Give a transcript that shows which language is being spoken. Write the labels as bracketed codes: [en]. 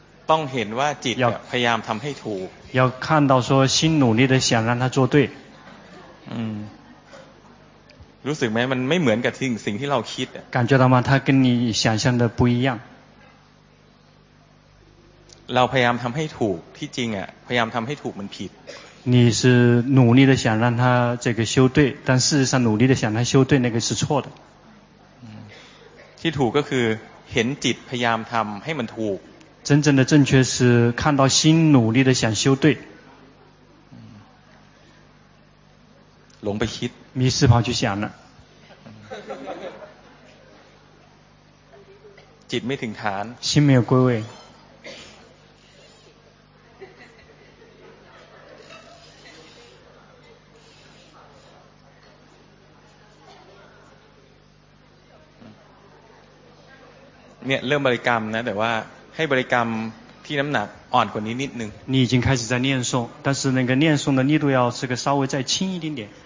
[th] ต้องเห็นว่าจิตพยายามทำให้ถูก [zh] 要看到说心努力的想让他做对 [th] รู้สึกไหมมันไม่เหมือนกับสิ่งที่เราคิด [zh] 感觉到吗它跟你想象的不一样 [th] เราพยายามทำให้ถูกที่จริงพยายามทำให้ถูกมันผิด [zh] 你是努力的想让他这个修对但事实上努力的想他修对那个是错的 [th] ที่ถูกก็คือเห็นจิตพยายามทำให้มันถูก [zh] 真正的正确是看到心努力的想修对 [th] หลงไปคิด [zh] 迷失跑去想了 [th] จิตไม่ถึงฐาน [zh] 心没有归位 [th] เนี่ยเริ่มบริกรรมนะแต่ว่าให้บริกรรมที่น้ำหนักอ่อนกว่านี้นิดนึง [zh] 你已经开始在念诵但是那个念诵的力度要这个稍微再轻一点点